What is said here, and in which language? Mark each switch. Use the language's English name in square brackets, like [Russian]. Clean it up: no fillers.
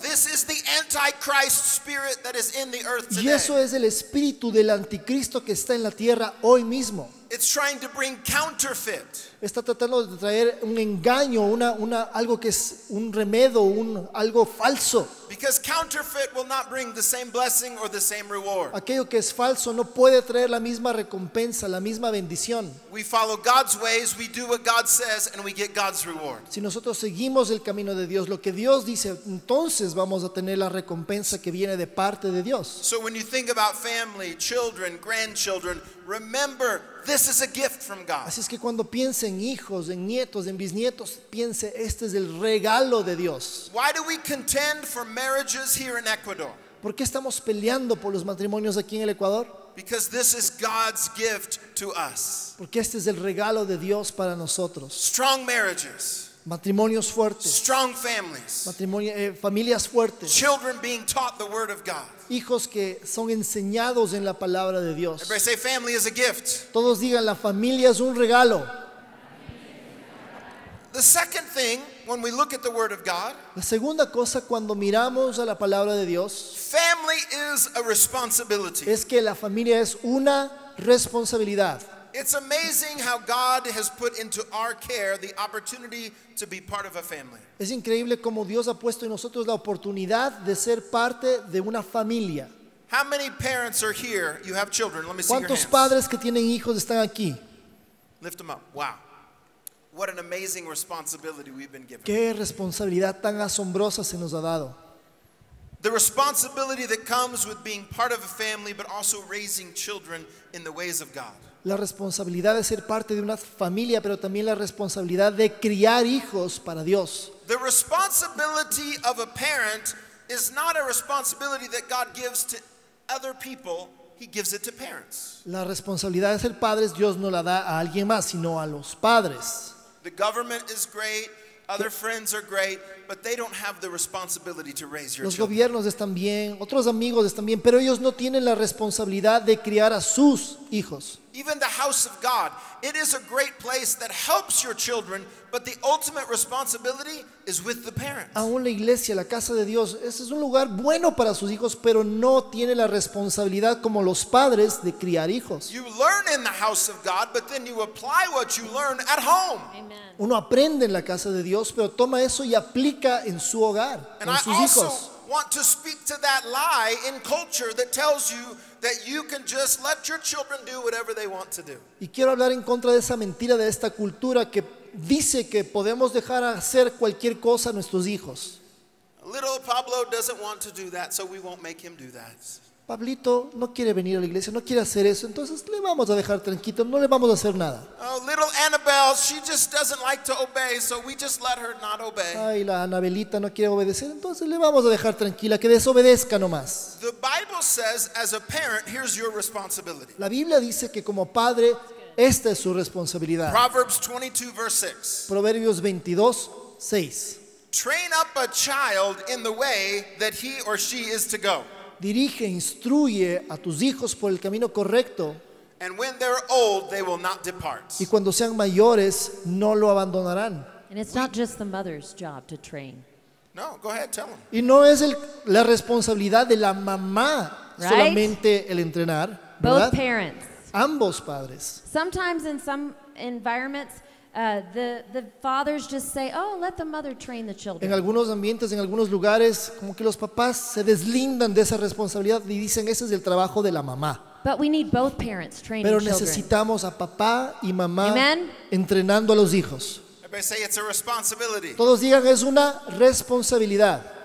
[English] This is the antichrist spirit that is in the earth today. [Spanish] Y eso es el espíritu del anticristo que está en la tierra hoy mismo. [English] It's trying to bring counterfeit. [Spanish] Está tratando de traer un engaño, una algo que es un remedo, un algo falso. [English] Because counterfeit will not bring the same blessing or the same reward. [Spanish] Aquello que es falso no puede traer la misma recompensa, la misma bendición. [English] We follow God's ways, we do what God says, and we get God's reward. [Spanish] Si nosotros seguimos el camino de Dios, lo que Dios dice, entonces vamos a tener la recompensa que viene de parte de Dios. [English] So when you think about family, children, grandchildren, remember this is a gift from God. [Spanish] Así es que cuando piense en hijos, en nietos, en bisnietos, piense, este es el regalo de Dios. [English] Why do we contend for marriages here in Ecuador? [Spanish] ¿Por qué estamos peleando por los matrimonios aquí en el Ecuador? [English] Because this is God's gift to us. [Spanish] Porque este es el regalo de Dios para nosotros. [English] Strong marriages. [Spanish] Matrimonios fuertes. [English] Strong families. [Spanish] Familias fuertes. [English] Children being taught the word of God. [Spanish] Hijos que son enseñados en la palabra de Dios. [English] Everybody say family is a gift. [Spanish] Todos digan, la familia es un regalo. [English] The second thing, when we look at the word of God, [Spanish] la segunda cosa cuando miramos a la palabra de Dios, [English] family is a responsibility. [Spanish] Es que la familia es una responsabilidad. [English] It's amazing how God has put into our care the opportunity to be part of a family. [Spanish] Es increíble cómo Dios ha puesto en nosotros la oportunidad de ser parte de una familia. [English] How many parents are here? You have children. Let me see your hands. [Spanish] ¿Cuántos padres que tienen hijos están aquí? [English] Lift them up. Wow. What an amazing responsibility we've been given. [Spanish] Qué responsabilidad tan asombrosa se nos ha dado. [English] The responsibility that comes with being part of a family, but also raising children in the ways of God. [Spanish] La responsabilidad de ser parte de una familia, pero también la responsabilidad de criar hijos para Dios. [English] The responsibility of a parent is not a responsibility that God gives to other people. He gives it to parents. [Spanish] La responsabilidad de ser padres, Dios no la da a alguien más, sino a los padres. [English] The government is great. Other friends are great, but they don't have the responsibility to raise your [Spanish] Los gobiernos están bien, otros amigos están bien, pero ellos no tienen la responsabilidad de criar a sus hijos. [English] Even the house of God, it is a great place that helps your children, but the ultimate responsibility is with the parents. [Spanish] Aún la iglesia, la casa de Dios, ese es un lugar bueno para sus hijos, pero no tiene la responsabilidad como los padres de criar hijos. [English] You learn in the house of God, but then you apply what you learn at home. Amen. [Spanish] Uno aprende en la casa de Dios, pero toma eso y aplica en su hogar, [English] and [Spanish] en sus hijos. [English] Want to speak to that lie in culture that tells you that you can just let your children do whatever they want to do. [Spanish] Y quiero hablar en contra de esa mentira de esta cultura que dice que podemos dejar hacer cualquier cosa a nuestros hijos. [English] Little Pablo doesn't want to do that, so we won't make him do that. [Spanish] Pablito no quiere venir a la iglesia, no quiere hacer eso, entonces le vamos a dejar tranquilo, no le vamos a hacer nada. [English] Oh, little Annabelle, she just doesn't like to obey, so we just let her not obey. [Spanish] Ay, la Anabelita no quiere obedecer, entonces le vamos a dejar tranquila, que desobedezca nomás. [English] The Bible says, as a parent, here's your responsibility. [Spanish] La Biblia dice que como padre, esta es su responsabilidad. [English] Proverbs 22, verse 6. [Spanish] Proverbios 22, 6. [English] Train up a child in the way that he or she is to go. [Spanish] Dirige, instruye a tus hijos por el camino correcto. [English] And when they're old, they will not depart. [Spanish] Y cuando sean mayores, no lo abandonarán. [English] And it's not just the mother's job to train. No, go ahead, tell them. [Spanish] Y no es la responsabilidad de la mamá, [English] right? [Spanish] Solamente el entrenar, ¿verdad? [English] Both parents. [Spanish] Ambos padres. [English] Sometimes in some environments, the fathers just say, oh, let the mother train the children. [Spanish] En algunos ambientes, en algunos lugares, como que los papás se deslindan de esa responsabilidad y dicen, ese es el trabajo de la mamá. [English] But we need both parents training. [Spanish] Pero necesitamos [English] children. [Spanish] A papá y mamá. [English] Amen? [Spanish] Entrenando a los hijos. [English] Everybody say it's a responsibility. [Spanish] Todos digan, es una responsabilidad.